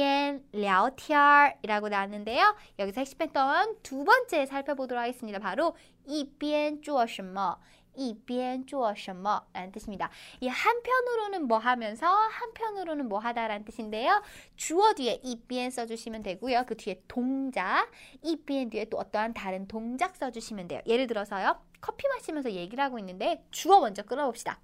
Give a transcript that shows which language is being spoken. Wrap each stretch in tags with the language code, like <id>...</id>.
<zh>他们一边喝咖啡一边聊天儿。</zh> <ko>이라고 나왔는데요. 여기서 핵심했던 두 번째 살펴보도록 하겠습니다. 바로</ko> <zh>一边做什么? 一边做什么</zh> <ko>라는 뜻입니다. 이 한편으로는 뭐 하면서 한편으로는 뭐 하다라는 뜻인데요. 주어 뒤에 一边 써주시면 되고요. 그 뒤에 동작, 一边 뒤에 또 어떠한 다른 동작 써주시면 돼요. 예를 들어서요, 커피 마시면서 얘기를 하고 있는데 주어 먼저 끊어봅시다.</ko>